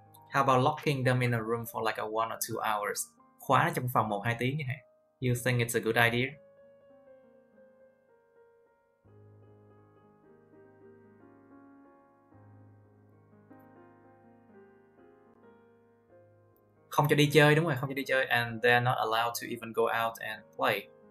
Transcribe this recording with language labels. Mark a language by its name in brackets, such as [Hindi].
[English] How about locking them in a room for like a 1 or 2 hours? [Vietnamese] Khóa nó trong phòng 1-2 tiếng như vậy. [English] You think it's a good idea? [Vietnamese] Không cho đi chơi, đúng rồi, không cho đi chơi. [English] And they're not allowed to even go out and play.